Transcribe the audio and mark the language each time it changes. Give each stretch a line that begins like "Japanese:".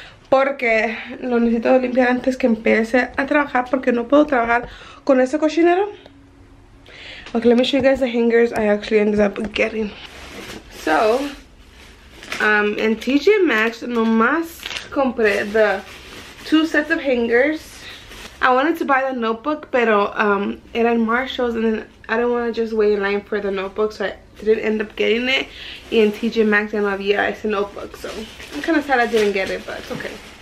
Spanish: Porque lo necesito limpiar antes que empiece a trabajar. Porque no puedo trabajar con ese cochinero.
English: Okay, let me show you guys the hangers I actually ended up getting. So, in TJ Maxx,
Spanish: nomás compré
English: the two sets of hangers. I wanted to buy the notebook,
Spanish: pero era en Marshalls.
English: And then I didn't want to just wait in line for the notebook. So, I didn't end up getting it.
Spanish: Y en TJ Maxx ya no había ese notebook.
English: So, I'm kind of sad I didn't get it, but it's okay.